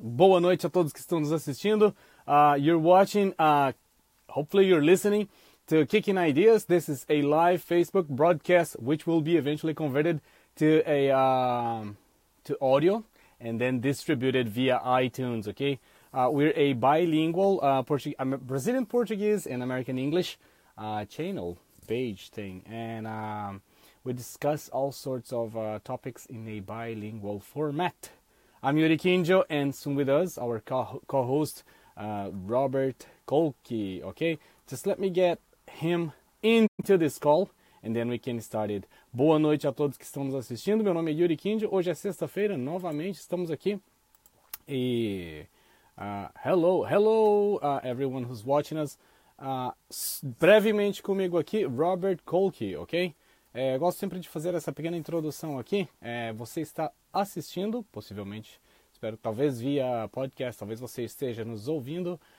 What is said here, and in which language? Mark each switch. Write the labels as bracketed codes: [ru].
[pt] Boa noite a todos que estão nos assistindo. [en] You're watching, hopefully you're listening to Kicking Ideas. This is a live Facebook broadcast, which will be eventually converted to a to audio and then distributed via iTunes, okay? We're a bilingual Brazilian Portuguese and American English channel page thing. And we discuss all sorts of topics in a bilingual format. I'm Yuri Kinjo, and soon with us, our co-host, Robert Kolke, okay? Just let me get him into this call, and then we can start it. [pt] Boa noite a todos que estamos assistindo, meu nome é Yuri Kinjo, hoje é sexta-feira, novamente, estamos aqui, e [en] hello, everyone who's watching us, [pt] brevemente comigo aqui, Robert Kolke, okay? Eu gosto sempre de fazer essa pequena introdução aqui. Você está assistindo, possivelmente, espero que talvez via podcast, talvez você esteja nos ouvindo.